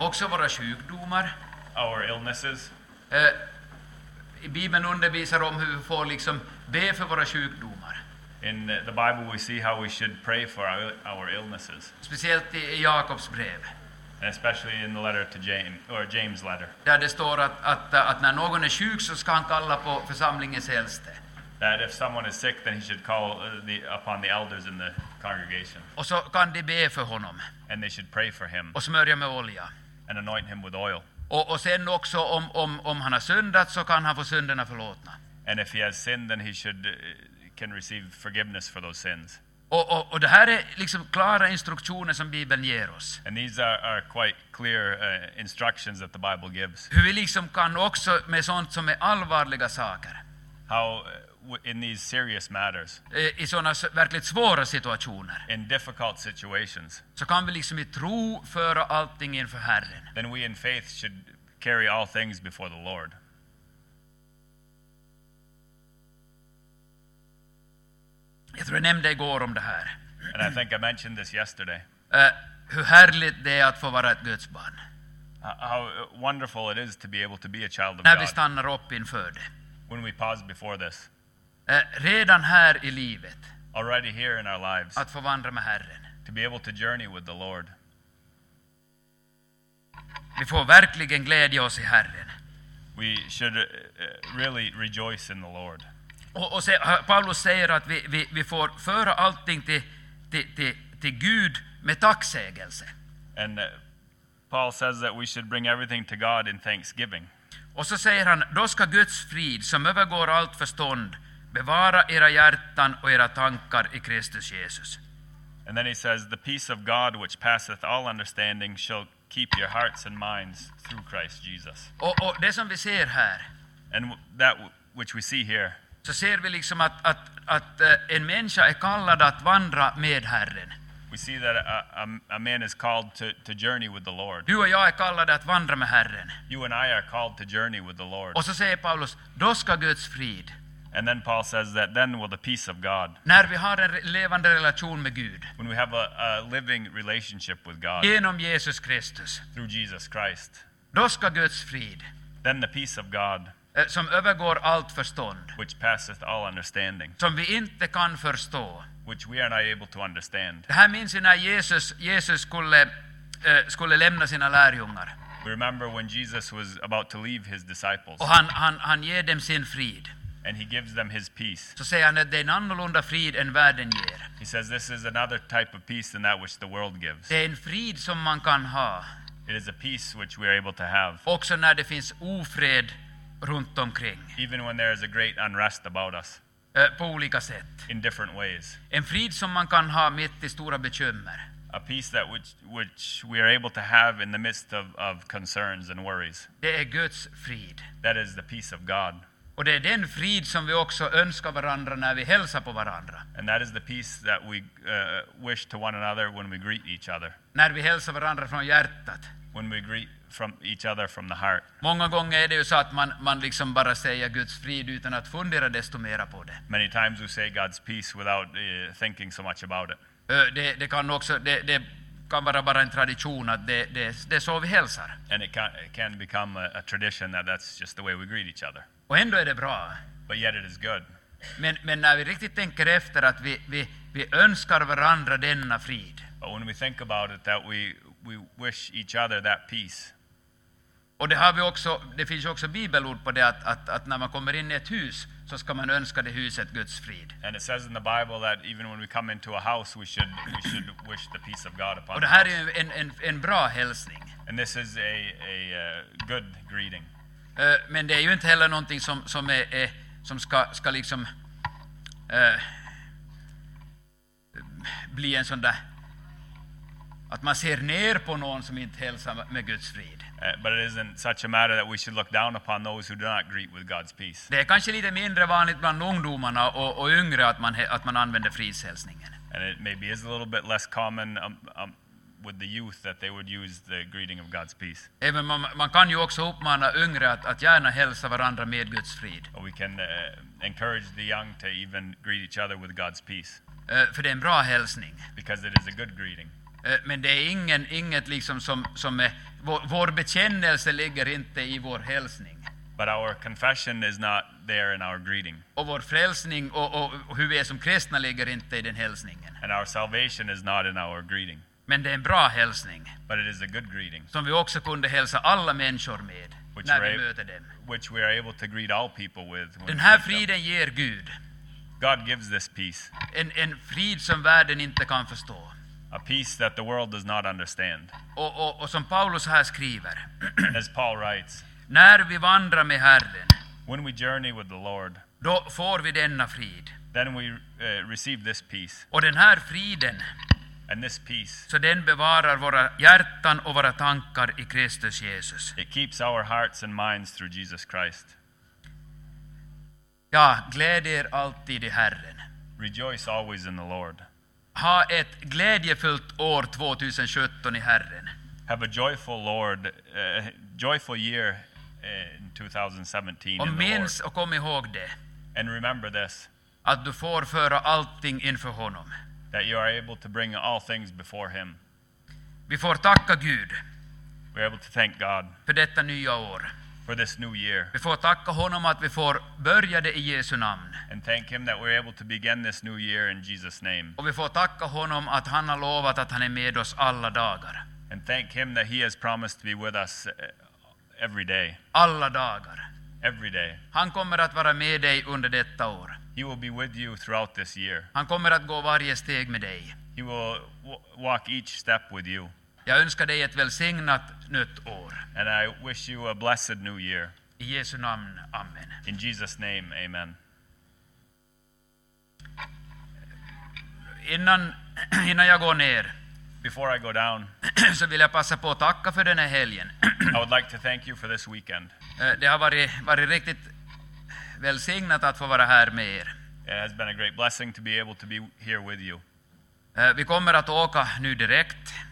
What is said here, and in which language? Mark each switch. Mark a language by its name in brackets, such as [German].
[Swedish] Också våra sjukdomar. [English] Our illnesses. [Swedish] Bibeln undervisar om hur vi får liksom be för våra sjukdomar. [English] In the Bible we see how we should pray for our illnesses. [Swedish] Speciellt i Jakobs brev. [English] And especially in the letter to James or James letter. [Swedish] Där det står att när någon är sjuk så ska han kalla på församlingens äldste. [English] That if someone is sick then he should call upon the elders in the congregation. [Swedish] Och så kan de be för honom. [English] And they should pray for him. [Swedish] Och smörja med olja. [English] And anoint him with oil. [Swedish] Och sen också om han har syndat så kan han få synderna förlåtna. [English] And if he has sinned then he should can receive forgiveness for those sins. [Swedish] Och det här är liksom klara instruktioner som Bibeln ger oss. [English] And these are quite clear instructions that the Bible gives. [Swedish] Hur vi liksom kan också med sånt som är allvarliga saker. [English] How in these serious matters. [Swedish] I såna verkligt svåra situationer. [English] In difficult situations. [Swedish] Så kan vi liksom i tro föra allting inför Herren. [English] Then we in faith should carry all things before the Lord. [Swedish] Jag tror jag nämnde igår om det här. [English] And I think I mentioned this yesterday. [Swedish] Hur härligt det är att få vara ett Guds barn. [English] How wonderful it is to be able to be a child of God. [Swedish] När vi stannar upp inför det. [English] When we pause before this. [Swedish] Redan här i livet. [English] Already here in our lives. [Swedish] Att få vandra med Herren. [English] To be able to journey with the Lord. [Swedish] Vi får verkligen glädja oss i Herren. [English] We should really rejoice in the Lord. [Swedish] Och Paulus säger att vi får föra allting till Gud med tacksägelse. [English] And Paul says that we should bring everything to God in thanksgiving. [Swedish] Och så säger han, då ska Guds frid som övergår allt förstånd bevara era hjärtan och era tankar i Kristus Jesus. [English] And then he says, the peace of God which passeth all understanding shall keep your hearts and minds through Christ Jesus. [Swedish] Och det som vi ser här. [English] And that which we see here. [Swedish] Så ser vi liksom att en människa är kallad att vandra med Herren. [English] We see that a man is called to journey with the Lord. [Swedish] Du och jag är kallade att vandra med Herren. [English] You and I are called to journey with the Lord. [Swedish] Och så säger Paulus, då ska Guds frid. [English] And then Paul says that then will the peace of God. [Swedish] När vi har en levande relation med Gud. [English] When we have a living relationship with God. [Swedish] Genom Jesus Kristus. [English] Through Jesus Christ. [Swedish] Då ska Guds frid. [English] Then the peace of God. [Swedish] Som övergår allt förstånd. [English] Which passeth all understanding. [Swedish] Som vi inte kan förstå. [English] Which we are not able to understand. [Swedish] Det här minns när Jesus skulle lämna sina lärjungar. [English] We remember when Jesus was about to leave his disciples. [Swedish] Och han ger dem sin frid. [English] And he gives them his peace. [Swedish] Så säger han att det är en annorlunda frid än världen ger. [English] He says this is another type of peace than that which the world gives. [Swedish] Det är en frid som man kan ha. [English] It is a peace which we are able to have. [Swedish] Också när det finns ofred runt omkring. [English] Even when there is a great unrest about us. [Swedish] På olika sätt. [English] In different ways. [Swedish] En frid som man kan ha mitt i stora bekymmer. [English] A peace that which we are able to have in the midst of concerns and worries. [Swedish] Det är Guds frid. [English] That is the peace of God. [Swedish] Och det är den frid som vi också önskar varandra när vi hälsar på varandra. [English] And that is the peace that we wish to one another when we greet each other. [Swedish] När vi hälsar varandra från hjärtat. [English] When we greet from each other from the heart. [Swedish] Många gånger är det ju så att man liksom bara säger Guds frid utan att fundera desto mer på det. [English] Many times we say God's peace without thinking so much about it. [Swedish] Det kan också det kan vara bara en tradition att det är så vi hälsar. [English] And it can become a tradition that that's just the way we greet each other. [Swedish] Och ändå är det bra. [English] But yet it is good. [Swedish] Men när vi riktigt tänker efter att vi önskar varandra denna frid. [English] But when we think about it that we wish each other that peace. [Swedish] Och det har vi också, det finns också bibelord på det att när man kommer in i ett hus så ska man önska det huset Guds frid. [English] And it says in the Bible that even when we come into a house we should wish the peace of God upon. [Swedish] Och det här är en bra hälsning. [English] And this is a good greeting. [Swedish] Men det är ju inte heller någonting som ska liksom bli en sån där att man ser ner på någon som inte hälsar med Guds frid. [English] But it isn't such a matter that we should look down upon those who do not greet with God's peace. [Swedish] Det är kanske lite mindre vanligt bland ungdomarna och yngre att man använder fridshälsningen. [English] And it maybe is a little bit less common with the youth that they would use the greeting of God's peace. [Swedish] Även man kan ju också uppmana yngre att gärna hälsa varandra med Guds frid. [English] Or we can encourage the young to even greet each other with God's peace. [Swedish] För det är en bra hälsning. [English] Because it is a good greeting. [Swedish] Men det är inget liksom som är, vår bekännelse ligger inte i vår hälsning. [English] But our confession is not there in our greeting. [Swedish] Och vår frälsning och hur vi är som kristna ligger inte i den hälsningen. [English] And our salvation is not in our greeting. [Swedish] Men det är en bra hälsning. [English] But it is a good greeting. [Swedish] Som vi också kunde hälsa alla människor med när vi möter dem. [English] Which we are able to greet all people with. [Swedish] Den här friden ger Gud. [English] God gives this peace. [Swedish] En frid som världen inte kan förstå. [English] A peace that the world does not understand. [Swedish] Och som Paulus här skriver. [English] As Paul writes. [Swedish] När vi vandrar med Herren. [English] When we journey with the Lord. [Swedish] Då får vi denna frid. [English] Then we receive this peace. [Swedish] Och den här friden. [English] And this peace. [Swedish] Så den bevarar våra hjärtan och våra tankar i Kristus Jesus. [English] It keeps our hearts and minds through Jesus Christ. [Swedish] Ja, gläd er alltid i Herren. [English] Rejoice always in the Lord. [Swedish] Ha ett glädjefullt år 2017 i Herren. [English] Have a joyful Lord, joyful year in 2017. [Swedish] Och minns och kom ihåg det. [English] And remember this. [Swedish] Att du får föra allting inför honom. [English] That you are able to bring all things before him. [Swedish] Vi får tacka Gud. [English] We're able to thank God. [Swedish] För detta nya år. [English] For this new year. [Swedish] Vi får tacka honom att vi får börja det i Jesu namn. [English] And thank him that we're able to begin this new year in Jesus' name. [Swedish] Och vi får tacka honom att han har lovat att han är med oss alla dagar. [English] And thank him that he has promised to be with us every day. [Swedish] Alla dagar. [English] Every day. [Swedish] Han kommer att vara med dig under detta år. [English] He will be with you throughout this year. [Swedish] Han kommer att gå varje steg med dig. [English] He will walk each step with you. [Swedish] Jag önskar dig ett välsignat nytt år. [English] And I wish you a blessed new year. [Swedish] I Jesu namn, amen. [English] In Jesus' name, amen. [Swedish] Innan jag går ner. [English] Before I go down. [Swedish] Så vill jag passa på att tacka för den här helgen. [English] I would like to thank you for this weekend. [Swedish] Det har varit riktigt välsignat att få vara här med er. [English] It has been a great blessing to be able to be here with you. [Swedish] Vi kommer att åka nu direkt.